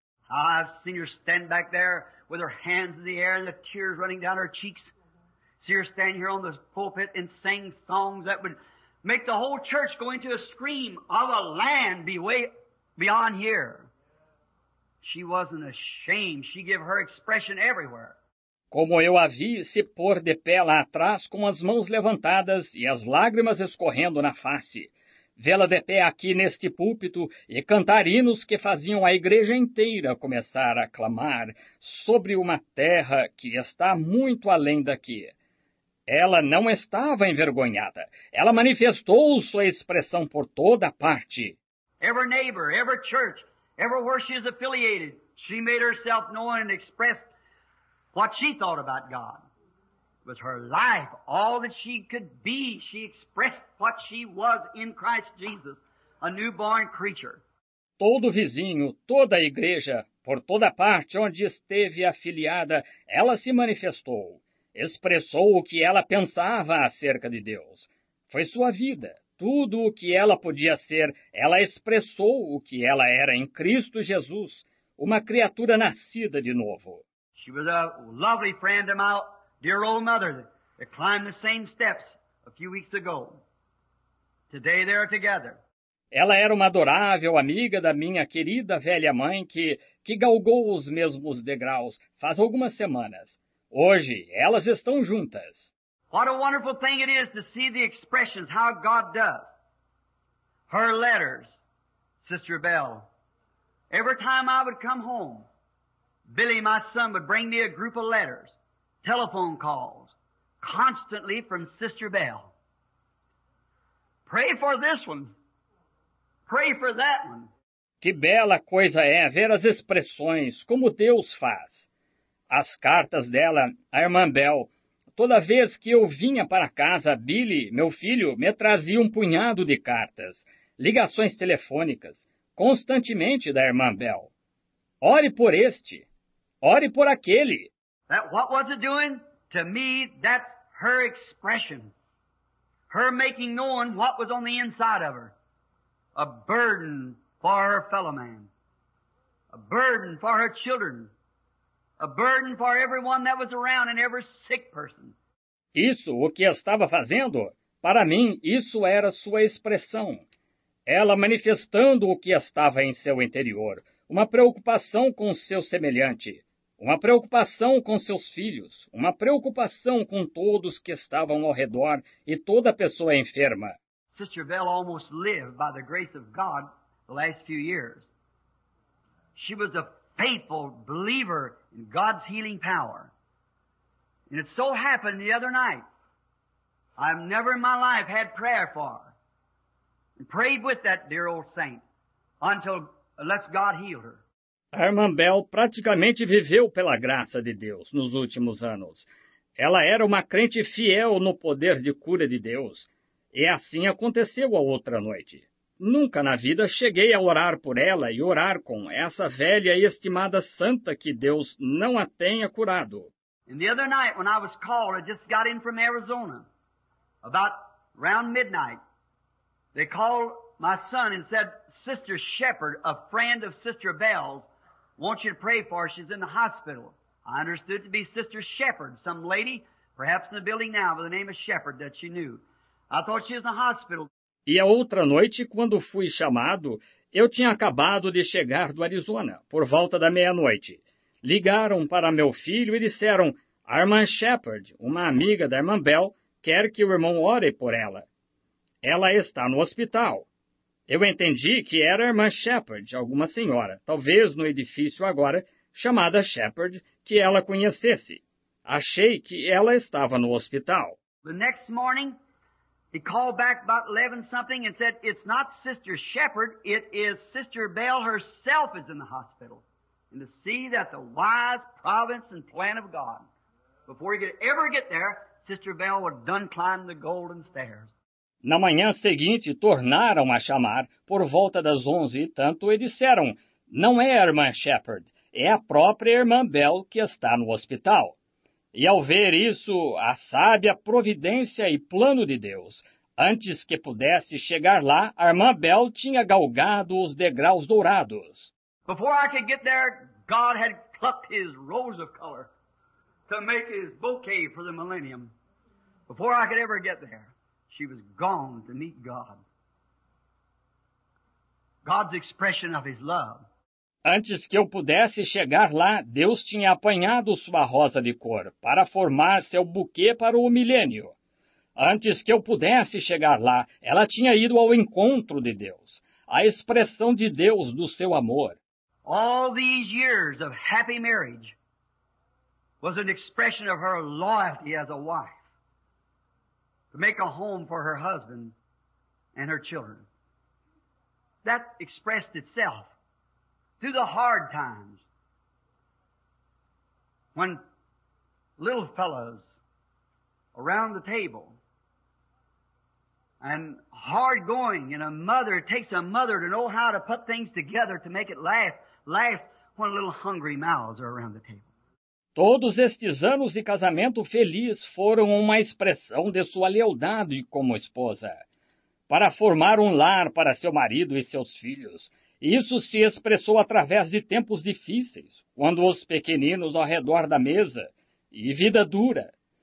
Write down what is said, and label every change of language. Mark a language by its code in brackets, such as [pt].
[en] I've seen her stand back there with her hands in the air and the tears running down her cheeks. See her stand here on the pulpit and sing songs that would make the whole church go into a scream of a land beyond here. She wasn't ashamed. She gave her expression everywhere. [pt] como eu a vi se pôr de pé lá atrás com as mãos levantadas e as lágrimas escorrendo na face. Vê-la de pé aqui neste púlpito e cantar hinos que faziam a igreja inteira começar a clamar sobre uma terra que está muito além daqui. Ela não estava envergonhada. Ela manifestou sua expressão por toda parte. [en] Every neighbor, every church, everywhere she is affiliated, she made herself known and expressed what she thought about God. It was her life, all that she could be. She expressed what she was in Christ Jesus, a newborn creature. [pt] Todo vizinho, toda a igreja, por toda parte onde esteve afiliada, ela se manifestou. Expressou o que ela pensava acerca de Deus. Foi sua vida. Tudo o que ela podia ser, ela expressou o que ela era em Cristo Jesus, uma criatura nascida de novo. [en] She was a lovely friend of my dear old mother that climbed the same steps a few weeks ago. Today they are together. [pt] Ela era uma adorável amiga da minha querida velha mãe que galgou os mesmos degraus faz algumas semanas. Hoje, elas estão juntas. [en] What a wonderful thing it is to see the expressions, how God does. Her letters, Sister Bell. Every time I would come home, Billy, my son, would bring me a group of letters, telephone calls, constantly from Sister Bell. Pray for this one. Pray for that one. [pt] Que bela coisa é ver as expressões, como Deus faz. As cartas dela, a irmã Bell, toda vez que eu vinha para casa, Billy, meu filho, me trazia um punhado de cartas, ligações telefônicas, constantemente da irmã Bell. Ore por este. Ore por aquele. [en] That what was it doing? To me, that's her expression. Her making known what was on the inside of her. A burden for her fellow man. A burden for her children. A burden for everyone that was around and every sick person. [pt] Isso, o que estava fazendo, para mim, isso era sua expressão. Ela manifestando o que estava em seu interior, uma preocupação com seu semelhante, uma preocupação com seus filhos, uma preocupação com todos que estavam ao redor e toda pessoa enferma. [en] Sister Bell almost lived by the grace of God the last few years. She was a faithful believer in God's healing power. And it so happened the other night, I've never in my life had prayer for and prayed with that dear old saint until let God heal her. [pt] A irmã Bell praticamente viveu pela graça de Deus nos últimos anos. Ela era uma crente fiel no poder de cura de Deus. E assim aconteceu a outra noite. Nunca na vida cheguei a orar por ela e orar com essa velha e estimada santa que Deus não a tenha curado. [en] And the other night when I was called, I just got in from Arizona, about around midnight, they called my son and said, Sister Shepherd, a friend of Sister Bell's, wants you to pray for her. She's in the hospital. I understood to be Sister Shepherd, some lady, perhaps in the building now, by the name of Shepherd that she knew. I thought she was in the hospital. [pt] E a outra noite, quando fui chamado, eu tinha acabado de chegar do Arizona, por volta da meia-noite. Ligaram para meu filho e disseram, a irmã Shepherd, uma amiga da irmã Bell, quer que o irmão ore por ela. Ela está no hospital. Eu entendi que era a irmã Shepherd, alguma senhora, talvez no edifício agora, chamada Shepherd, que ela conhecesse. Achei que ela estava no hospital. [en] The next morning, he called back about 11-something and said, it's not Sister Shepherd, it is Sister Bell herself is in the hospital. And to see that the wise providence and plan of God, before he could ever get there, Sister Bell would done climb the golden stairs. [pt] Na manhã seguinte, tornaram a chamar, por volta das 11 e tanto, e disseram, não é a irmã Shepherd, é a própria irmã Bell que está no hospital. E ao ver isso, a sábia providência e plano de Deus, antes que pudesse chegar lá, a irmã Bell tinha galgado os degraus dourados. [en] Before I could get there, God had plucked his rose of color to make his bouquet for the millennium. Before I could ever get there, she was gone to meet God. God's expression of his love. [pt] Antes que eu pudesse chegar lá, Deus tinha apanhado sua rosa de cor para formar seu buquê para o milênio. Antes que eu pudesse chegar lá, ela tinha ido ao encontro de Deus, a expressão de Deus do seu amor. [en] All these years of happy marriage was an expression of her loyalty as a wife to make a home for her husband and her children. That expressed itself through the hard times when little fellows around the table and hard going, and a mother, it takes a mother to know how to put things together to make it last when little hungry mouths are around the table. [pt] Todos estes anos de casamento feliz foram uma expressão de sua lealdade como esposa, para formar um lar para seu marido e seus filhos. Isso se expressou através de tempos difíceis, quando os pequeninos ao redor da mesa, e vida dura.